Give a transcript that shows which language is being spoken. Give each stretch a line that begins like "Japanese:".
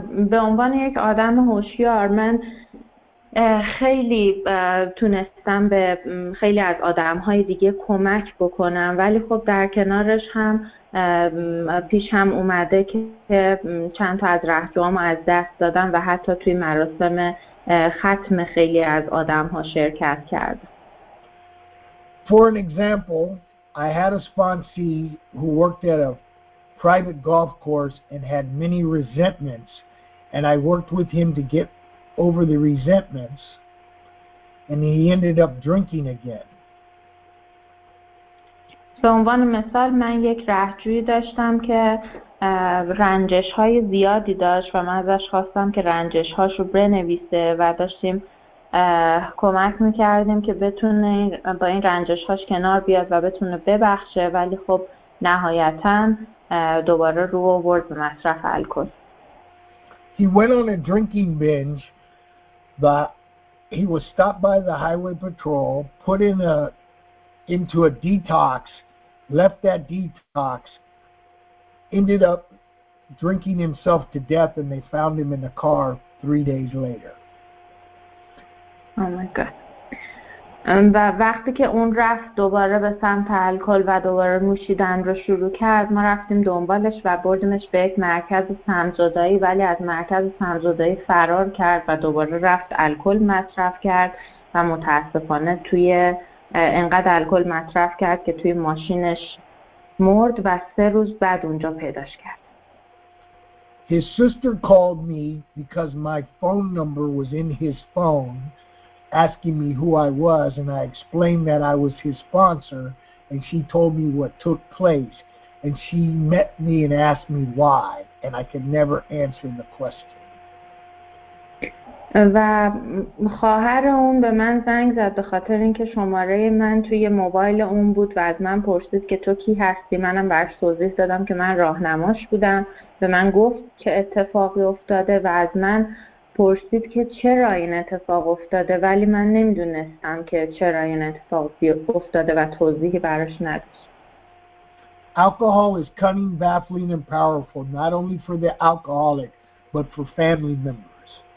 Persian: به عنوان یک آدم هوشیار من خیلی تونستم به خیلی از آدم‌های دیگه کمک بکنم، ولی خب در کنارش هم پیش هم اومده که چند تا از رهجوام از دست دادم و حتی توی مراسم ختم خیلی از آدم ها شرکت کرد.
English: For an example, I had a sponsee who worked at a private golf course and had many resentments, and I worked with him to get over the resentments, and he ended up drinking again.
Persian: به عنوان مثال من یک رهجوی داشتم که رنجش های زیادی داشت و من ازش خواستم که رنجش هاش رو بنویسه و داشتیم کمک میکردیم که بتونه با این رنجش هاش کنار بیاد و بتونه ببخشه، ولی خب نهایتا دوباره رو آورد به مصرف الکل.
English: He went on a drinking binge, but he was stopped by the highway patrol, put into a detox, left that detox, ended up drinking himself to death, and they found him in the car 3 days later. Oh my God.
Persian: و وقتی که اون رفت دوباره به سمت الکل و دوباره نوشیدن رو شروع کرد، ما رفتیم دنبالش و بردیمش به یک مرکز سمزدایی، ولی از مرکز سمزدایی فرار کرد و دوباره رفت الکل مصرف کرد و متاسفانه توی انقدر الکل مصرف کرد که توی ماشینش مرد و 3 روز بعد اونجا پیداش کرد.
English: His sister called me because my phone number was in his phone asking me who I was, and I explained that I was his sponsor, and she told me what took place, and she met me and asked me why, and I could never answer the question.
Persian: و خواهر اون به من زنگ زد به خاطر اینکه شماره من توی موبایل اون بود و از من پرسید که تو کی هستی. منم براش توضیح دادم که من راهنماش بودم. به من گفت که اتفاقی افتاده و از من پرسید که چرا این اتفاق افتاده، ولی من نمیدونستم که چرا این اتفاق افتاده و توضیحی براش نداشت.
English: Alcohol is cunning, baffling and powerful, not only for the alcoholic but for family members.